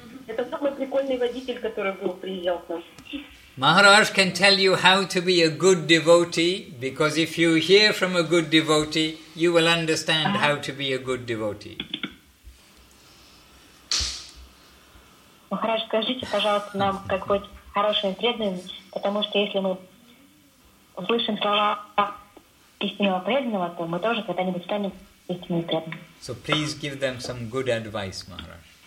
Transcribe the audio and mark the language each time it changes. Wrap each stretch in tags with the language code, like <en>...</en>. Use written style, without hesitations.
<ru>Это самый прикольный водитель, который был приезжал к нам.</ru> <en>Maharaj can tell you how to be a good devotee, because if you hear from a good devotee, you will understand how to be a good devotee.</en> <ru>Махарадж, скажите, пожалуйста, нам, как быть хорошими преданными, потому что если мы услышим слова истинного преданного, то мы тоже когда-нибудь станем истинными преданными.</ru> <en>So please give them some good advice, Махарадж.</en>